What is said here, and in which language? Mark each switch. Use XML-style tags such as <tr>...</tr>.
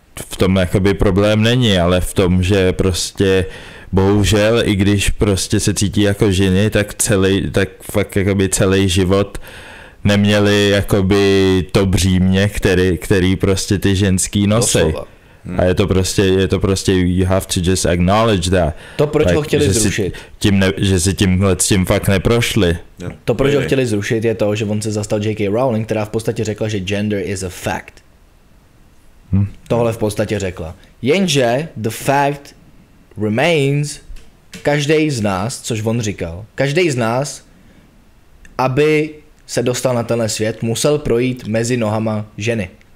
<cs>V tom jakoby problém není, ale v tom, že prostě bohužel, i když prostě se cítí jako ženy, tak fakt celý život neměli jakoby to břímě, který prostě ty ženský nosí.</cs> <en>A je to prostě you have to just acknowledge that.</en> <cs>To proč ho chtěli zrušit? Že si tímhle fakt neprošli.</cs> <en>Yeah.</en> <cs>To proč ho chtěli zrušit je to, že on se zastal J.K. Rowling, která v podstatě řekla, že</cs> <en>gender is a fact.</en> <cs>Tohle v podstatě řekla. Jenže</cs> <en>the fact remains,</en> <cs>každej z nás, což on říkal, každej z nás, aby se dostal na tenhle svět, musel projít mezi nohama ženy.</cs>